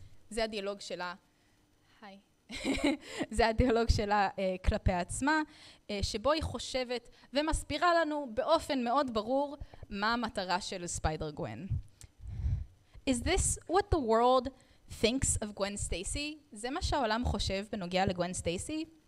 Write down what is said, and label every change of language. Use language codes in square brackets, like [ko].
[he] זה הדיאלוג שלה, היי, זה הדיאלוג שלה כלפי עצמה, שבו היא חושבת ומסבירה לנו באופן מאוד ברור מה המטרה של ספיידר גווין. [en] Is this what the world thinks of Gwen Stacy? [he] זה מה שהעולם חושב בנוגע לגווין סטייסי?